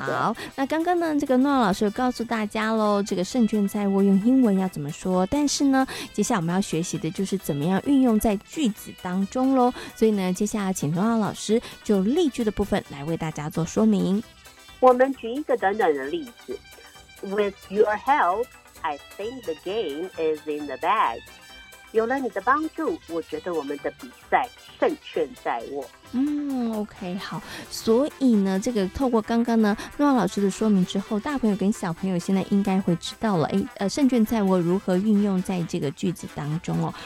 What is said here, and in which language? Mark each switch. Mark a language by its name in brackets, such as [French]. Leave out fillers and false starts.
[Chinese] 好，那刚刚呢这个诺亚老师有告诉大家咯，这个胜券在握用英文要怎么说，但是呢接下来我们要学习的就是怎么样运用在句子当中咯。所以呢接下来请诺亚老师就例句的部分来为大家做说明。我们举一个短短的例子。 [English] With your help, I think the game is in the bag。 [Chinese] 有了你的帮助，我觉得我们的比赛胜券在握。嗯， OK， 好，所以呢这个透过刚刚呢诺亚老师的说明之后，大朋友跟小朋友现在应该会知道了，胜券在握如何运用在这个句子当中哦。